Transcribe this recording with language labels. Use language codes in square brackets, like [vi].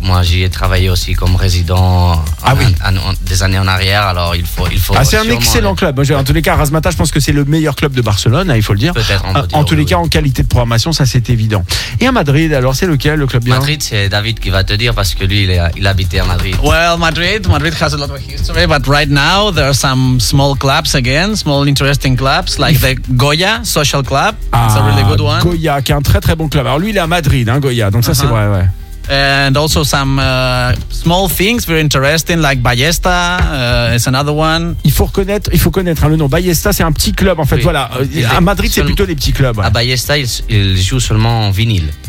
[fr] Moi, j'y ai travaillé aussi comme résident des années en arrière. Alors, il faut. Ah, c'est un excellent club. En tous les cas, Razzmatazz, je pense que c'est le meilleur club de Barcelone, il faut le dire. Peut-être. En tous les cas, en qualité de programmation, ça, c'est évident. Et à Madrid, alors, c'est lequel, le club bien? Madrid, c'est David qui va te dire parce que lui, il habitait à Madrid. [en] Well, Madrid has a lot of history, but right now there are some small clubs again, small interesting clubs like the Goya Social Club. It's a really good one. [fr] Goya, qui est un très très bon club. Alors lui, il est à Madrid, hein, Goya, donc ça c'est vrai, ouais. [en] And also some small things very interesting like Ballesta is another one. [fr] Il faut connaître hein, le nom Ballesta, c'est un petit club en fait. Oui. Voilà, à Madrid c'est plutôt des petits clubs. Ouais. À Ballesta, il joue seulement en vinyle.